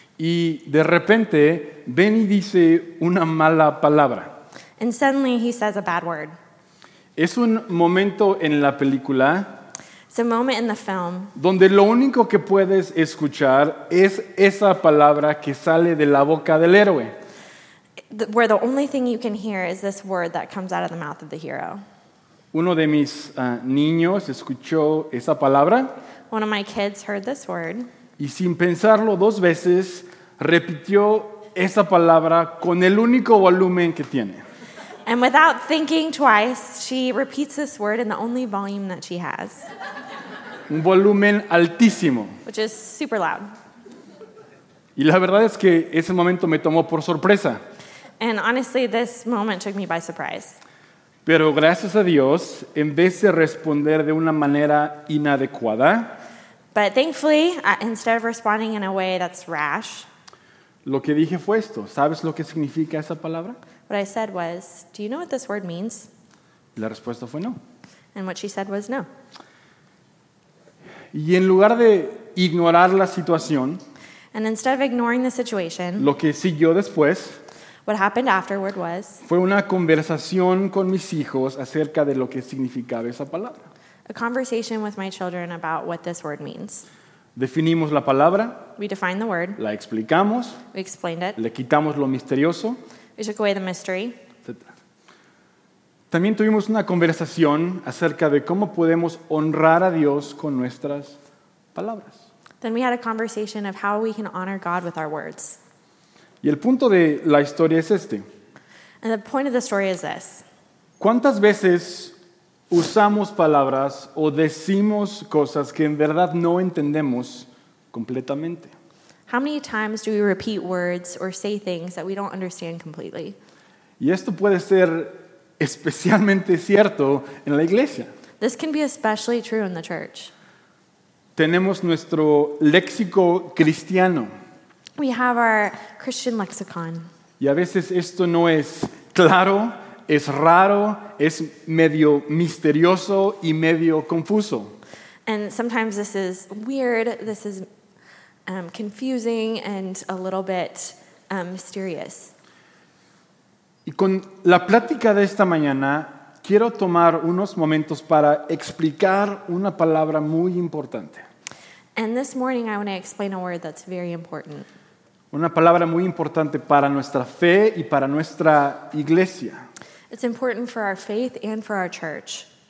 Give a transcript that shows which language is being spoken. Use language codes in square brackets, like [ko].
[es] Y de repente, Benny dice una mala palabra. [en] And suddenly he says a bad word. [es] Es un momento en la película. [en] It's a moment in the film. [es] Donde lo único que puedes escuchar es esa palabra que sale de la boca del héroe. [en] Where the only thing you can hear is this word that comes out of the mouth of the hero. [es] Uno de mis niños escuchó esa palabra. [en] One of my kids heard this word. [es] Y sin pensarlo dos veces, repitió esa palabra con el único volumen que tiene. [en] And without thinking twice, she repeats this word in the only volume that she has. [es] Un volumen altísimo. [en] Which is super loud. [es] Y la verdad es que ese momento me tomó por sorpresa. [en] And honestly, this moment took me by surprise. [es] Pero gracias a Dios, en vez de responder de una manera inadecuada, [en] but thankfully, instead of responding in a way that's rash, [es] lo que dije fue esto. ¿Sabes lo que significa esa palabra? [en] What I said was, "Do you know what this word means?" [es] La respuesta fue no. [en] And what she said was no. [es] Y en lugar de ignorar la situación, [en] and instead of ignoring the situation, [es] lo que siguió después, [en] what happened afterward was, [es] fue una conversación con mis hijos acerca de lo que significaba esa palabra. [en] A conversation with my children about what this word means. [es] Definimos la palabra. [en] We define the word. [es] La explicamos. [en] We explained it. [es] Le quitamos lo misterioso. [en] We took away the mystery. [es] Etcétera. También tuvimos una conversación acerca de cómo podemos honrar a Dios con nuestras palabras. [en] Then we had a conversation of how we can honor God with our words. [es] Y el punto de la historia es este. [en] And the point of the story is this. [es] ¿Cuántas veces usamos palabras o decimos cosas que en verdad no entendemos completamente? [en] How many times do we repeat words or say things that we don't understand completely? [es] Y esto puede ser especialmente cierto en la iglesia. [en] This can be especially true in the church. [es] Tenemos nuestro léxico cristiano. [en] We have our Christian lexicon. [es] Y a veces esto no es claro, es raro, es medio misterioso y medio confuso. [en] And sometimes this is weird, this is confusing and a little bit mysterious. [es] Y con la plática de esta mañana, quiero tomar unos momentos para explicar una palabra muy importante. [en] And this morning I want to explain a word that's very important. [es] Una palabra muy importante para nuestra fe y para nuestra iglesia. [en] It's important for our faith and for our church.